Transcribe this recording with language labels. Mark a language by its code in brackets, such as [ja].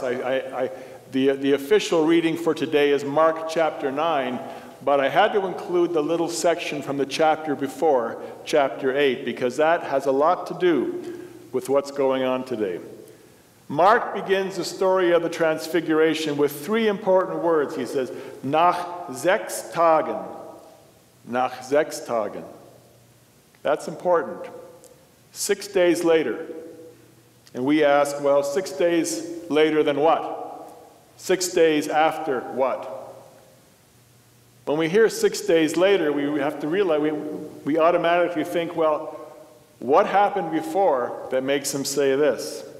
[en] The official reading for today is Mark chapter 9, but I had to include the little section from the chapter before, chapter 8, because that has a lot to do with with what's going on today. Mark begins the story of the Transfiguration with three important words. He says, [de] nach sechs Tagen, nach sechs Tagen. [en] That's important. 6 days later. And we ask, well, 6 days later than what? 6 days after what? When we hear 6 days later, we have to realize, we automatically think, well, what happened before that makes him say this?